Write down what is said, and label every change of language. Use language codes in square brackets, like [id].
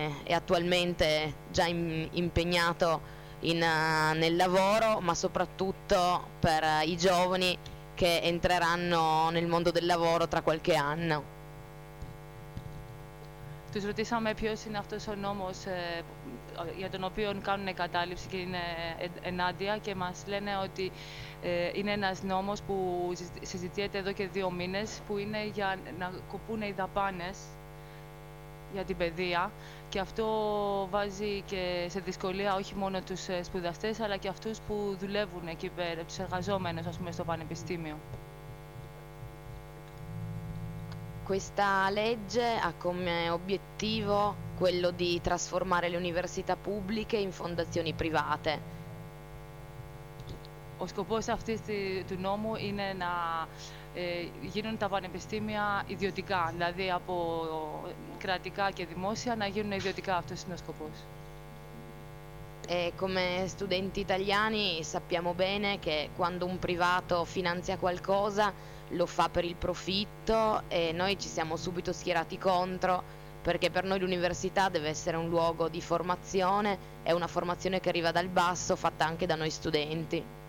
[it] è attualmente già impegnato nel lavoro, ma soprattutto per i giovani che entreranno nel mondo del lavoro tra qualche anno. [el] Τους ρωτήσαμε ποιος είναι αυτός ο νόμος για τον οποίο κάνουν κατάληψη και είναι ενάντια και μας λένε ότι είναι ένας νόμος που συζητιέται εδώ και 2 μήνες που είναι για να κοπούν οι δαπάνες για την παιδεία και αυτό βάζει και σε δυσκολία όχι μόνο τους σπουδαστές αλλά και αυτούς που δουλεύουν εκεί πέρα, τους εργαζόμενους ας πούμε στο πανεπιστήμιο. [it] Questa legge ha come obiettivo quello di trasformare le università pubbliche in fondazioni private. [el] Ο σκοπός αυτής του νόμου είναι να γίνουν τα πανεπιστήμια ιδιωτικά, δηλαδή από κρατικά και δημόσια να γίνουν ιδιωτικά. Αυτός είναι ο σκοπός. [it] E come studenti italiani sappiamo bene che quando un privato finanzia qualcosa lo fa per il profitto e noi ci siamo subito schierati contro perché per noi l'università deve essere un luogo di formazione, è una formazione che arriva dal basso, fatta anche da noi studenti.